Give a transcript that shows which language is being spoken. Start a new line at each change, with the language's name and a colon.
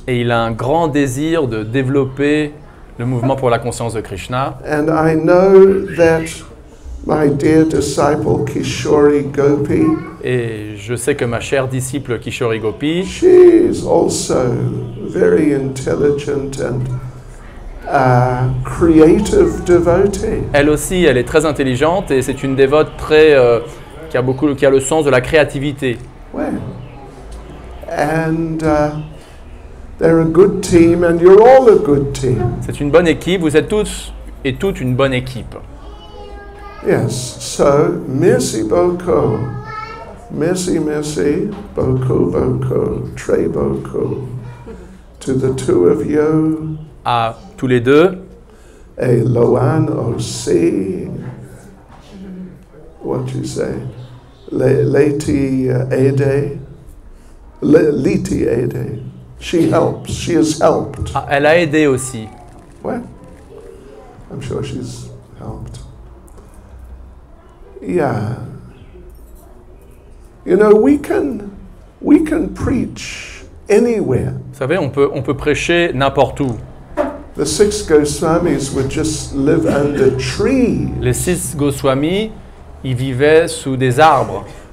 French: Et il a un grand désir de développer le mouvement pour la conscience de Krishna.
English: And I know that my dear disciple Kishori Gopi.
French: Et je sais que ma chère disciple Kishori Gopi.
English: She is also very intelligent and a creative devotee.
French: Elle aussi, elle est très intelligente et c'est une dévote très qui a le sens de la créativité.
English: Well, and they're a good team and you're all a good team.
French: C'est une bonne équipe, vous êtes tous et toutes une bonne équipe.
English: Yes, so
French: merci beaucoup. Merci, merci, beaucoup, beaucoup, très beaucoup.
English: To the two of you.
French: À tous les deux. Et Loan aussi.
English: What you say?
French: Leti aide. Leti aide.
English: She helps. She has helped.
French: Ah, elle a aidé aussi.
English: Ouais. I'm sure she's helped. Yeah. You know, we can preach anywhere.
French: Vous savez, on peut prêcher n'importe où.
English: The six Goswamis would just live under trees.
French: Les six Goswamis, ils vivaient sous des arbres.